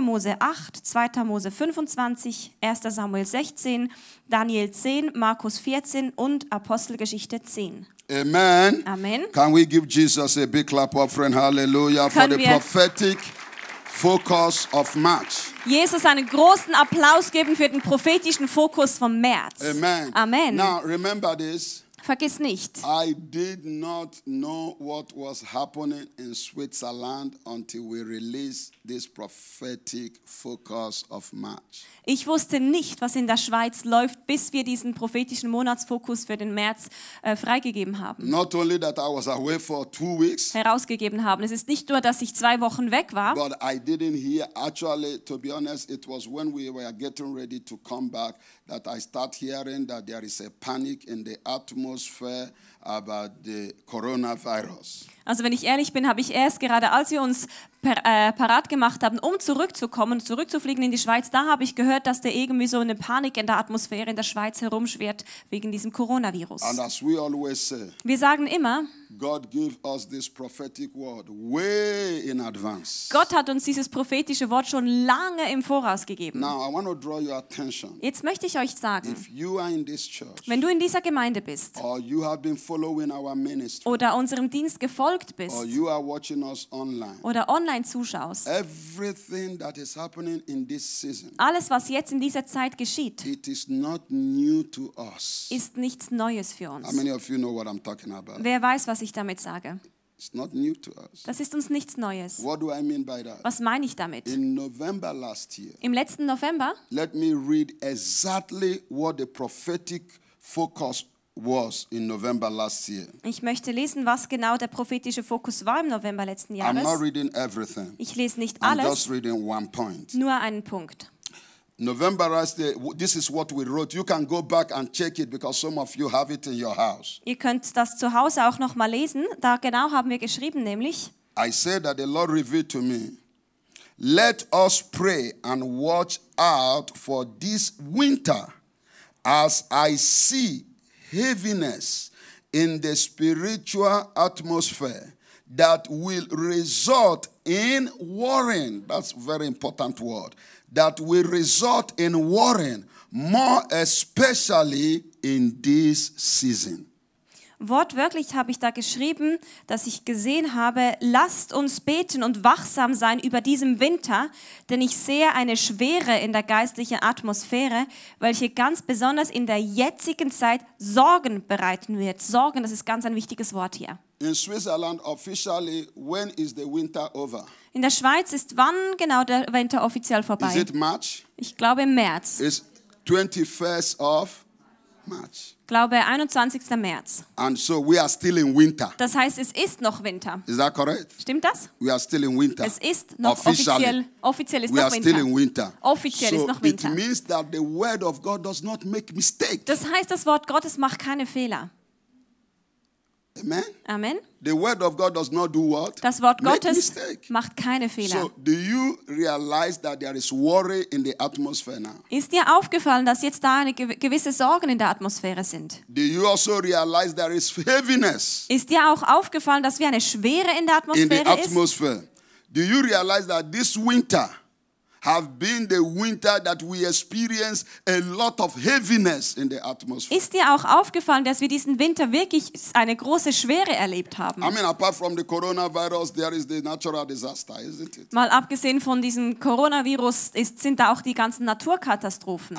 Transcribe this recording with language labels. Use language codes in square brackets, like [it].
[de] Mose 8, 2. Mose 25, 1. Samuel 16, Daniel 10, Markus 14 und Apostelgeschichte 10. [en] Amen. [de] Amen. [en] Can we give Jesus a big clap offering? Hallelujah. For the prophetic focus of March. [de] Jesus einen großen Applaus geben für den prophetischen Fokus vom März. [en] Amen. [de] Amen. [en] Now remember this. [de] Vergiss nicht. [en] I did not know what was happening in Switzerland until we released this prophetic focus of March. [de] Ich wusste nicht, was in der Schweiz läuft, bis wir diesen prophetischen Monatsfokus für den März freigegeben haben. [en] Not only that I was away for 2 weeks. [de] Herausgegeben haben. Es ist nicht nur, dass ich 2 Wochen weg war. [en] But I didn't hear. Actually, to be honest, it was when we were getting ready to come back that I start hearing that there is a panic in the atmosphere about the coronavirus. [de] Also wenn ich ehrlich bin, habe ich erst gerade, als wir uns parat gemacht haben, um zurückzukommen, zurückzufliegen in die Schweiz, da habe ich gehört, dass da irgendwie so eine Panik in der Atmosphäre in der Schweiz herumschwirrt wegen diesem Coronavirus. [en] And as we always say, [de] wir sagen immer, [en] God give us this prophetic word way in advance. [de] Gott hat uns dieses prophetische Wort schon lange im Voraus gegeben. [en] Now, I want to draw your attention. [de] Jetzt möchte ich euch sagen, [en] if you are in this church, [de] wenn du in dieser Gemeinde bist, [en] or you have been following our ministry, [de] oder unserem Dienst gefolgt bist, [en] or you are watching us online, [de] oder online zuschaust, [en] everything that is happening in this season, [de] alles, was jetzt in dieser Zeit geschieht, [en] it is not new to us. [de] Ist nichts Neues für uns. [en] How many of you know what I'm talking about? [de] Wer weiß, was ich damit sage. [en] It's not new to us. [de] Das ist uns nichts Neues. [en] What do I mean by that? [de] Was meine ich damit? [en] In November last year, [de] im letzten November, [en] let me read exactly what the prophetic focus was in November last year. [de] Ich möchte lesen, was genau der prophetische Fokus war im November letzten Jahres. [en] I'm not reading everything. [de] Ich lese nicht [en] I'm [de] alles. [en] Just reading one point. [de] Nur einen Punkt. [en] November last year, this is what we wrote. You can go back and check it because some of you have it in your house. [de] Ihr könnt das zu Hause auch noch mal lesen. Da genau haben wir geschrieben, nämlich. [en] I said that the Lord revealed to me, let us pray and watch out for this winter as I see heaviness in the spiritual atmosphere that will result in worrying. That's a very important word. That will result in worrying, more especially in this season. [de] Wortwörtlich habe ich da geschrieben, dass ich gesehen habe, lasst uns beten und wachsam sein über diesem Winter, denn ich sehe eine Schwere in der geistlichen Atmosphäre, welche ganz besonders in der jetzigen Zeit Sorgen bereiten wird. Sorgen, das ist ganz ein wichtiges Wort hier. [en] In Switzerland officially, when is the winter over? [de] In der Schweiz ist wann genau der Winter offiziell vorbei? [en] Is it March? [de] Ich glaube im März. [en] It's 21st of March. [de] Ich glaube, 21. März. [en] And so we are still in winter. [de] Das heißt, es ist noch Winter. [en] Is that correct? [de] Stimmt das? [en] We are still in winter. [de] Es ist noch [en] officially. [de] Offiziell ist [en] we [de] noch [en] are [de] winter. [en] Still in winter. [de] Offiziell [en] so [de] ist noch Winter. [en] It means that the word of God does not make mistakes. [de] Das heißt, das Wort Gottes macht keine Fehler. [en] Amen. [de] Amen. [en] The word of God does not do what? [de] Das Wort [en] make [de] Gottes [en] mistake. [de] Macht keine Fehler. [en] So, do you realize that there is worry in the atmosphere now? [de] Ist dir aufgefallen, dass jetzt da eine gewisse Sorgen in der Atmosphäre sind? [en] Do you also realize there is heaviness? [de] Ist dir auch aufgefallen, dass wir eine Schwere in der Atmosphäre [en] in the atmosphere? [de] Ist? [en] Do you realize that this winter have been the winter that we experience a lot of heaviness in the atmosphere. [de] Ist dir auch aufgefallen, dass wir diesen Winter wirklich eine große Schwere erlebt haben? [en] I mean, apart from the coronavirus, there is the natural disaster, isn't it? [de] Mal abgesehen von diesem Coronavirus, sind da auch die ganzen Naturkatastrophen.